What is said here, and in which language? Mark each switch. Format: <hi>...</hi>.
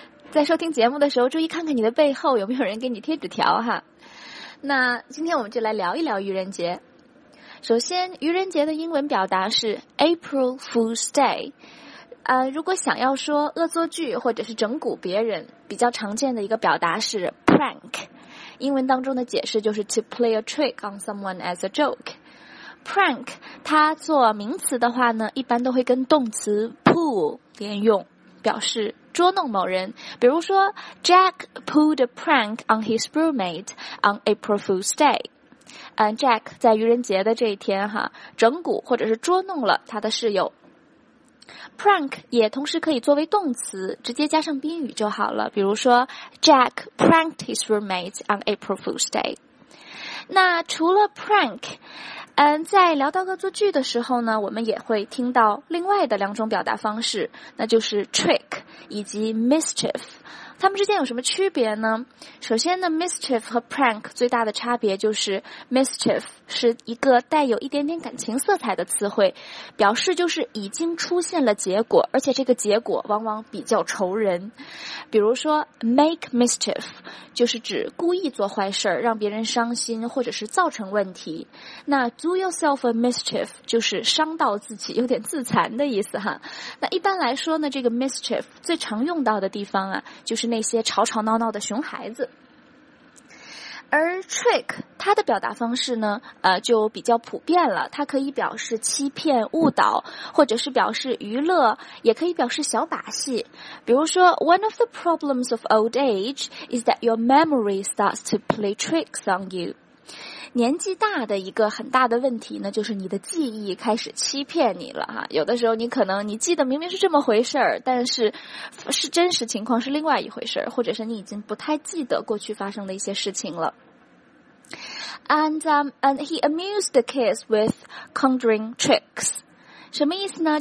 <zh>在收听节目的时候，注意看看你的背后有没有人给你贴纸条哈。那今天我们就来聊一聊愚人节。首先，愚人节的英文表达是 April Fool's Day。如果想要说恶作剧或者是整蛊别人，比较常见的一个表达是 prank。英文当中的解释就是</zh> <en>to play a trick on someone as a joke。</en> <zh>prank 它做名词的话呢，一般都会跟动词 pull 连用，表示捉弄某人。比如说</zh> <en>，Jack pulled a prank on his roommate on April Fool's Day。</en> <zh>Jack 在愚人节的这一天哈，整蛊或者是捉弄了他的室友。 prank 也同时可以作为动词，直接加上宾语就好了。比如说</zh> <en>，Jack pranked his roommate on April Fool's Day。</en> <zh>那除了 prank， 在聊到恶作剧的时候呢，我们也会听到另外的两种表达方式，那就是 trick 以及 mischief。它们之间有什么区别呢？首先呢 ，mischief 和 prank 最大的差别就是 mischief 是一个带有一点点感情色彩的词汇，表示就是已经出现了结果，而且这个结果往往比较仇人。比如说 ，make mischief 就是指故意做坏事，让别人伤心或者是造成问题。那</zh> <en>do yourself a mischief</en> <zh>就是伤到自己，有点自残的意思哈。那一般来说呢，这个 mischief 最常用到的地方啊，就是那些吵吵闹闹的熊孩子。而 trick 它的表达方式呢，就比较普遍了，它可以表示欺骗、误导，或者是表示娱乐，也可以表示小把戏。比如说</zh> <en>one of the problems of old age is that your memory starts to play tricks on you。</en> <zh>年纪大的一个很大的问题呢，就是你的记忆开始欺骗你了。有的时候你可能你记得明明是这么回事，但是是真实情况是另外一回事，或者是你已经不太记得过去发生的一些事情了。</zh> <en>And he amused the kids with conjuring tricks。</en> <zh>什么意思呢？</zh>